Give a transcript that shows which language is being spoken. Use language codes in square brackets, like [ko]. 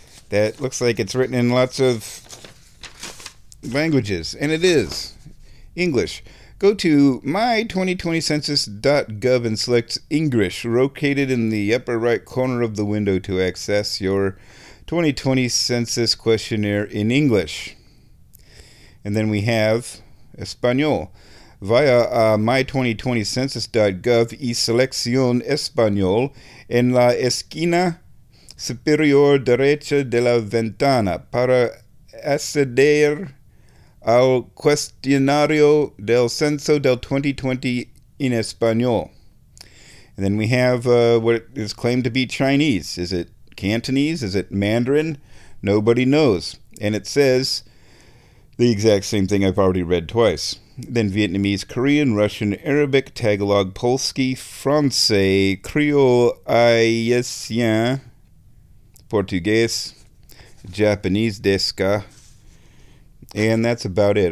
[en] That looks like it's written in lots of languages. And it is. English. Go to my2020census.gov and select English, located in the upper right corner of the window to access your 2020 census questionnaire in English. And then we have Español. [es] Via my2020census.gov y selección Español en la esquina superior derecha de la ventana para acceder al cuestionario del censo del 2020 in Español. [en] And then we have what is claimed to be Chinese. Is it Cantonese? Is it Mandarin? Nobody knows. And it says the exact same thing I've already read twice. Then Vietnamese, Korean, Russian, Arabic, Tagalog, Polski, Francais, Creole, Haitian, Portuguese, Japanese, Deska, and that's about it.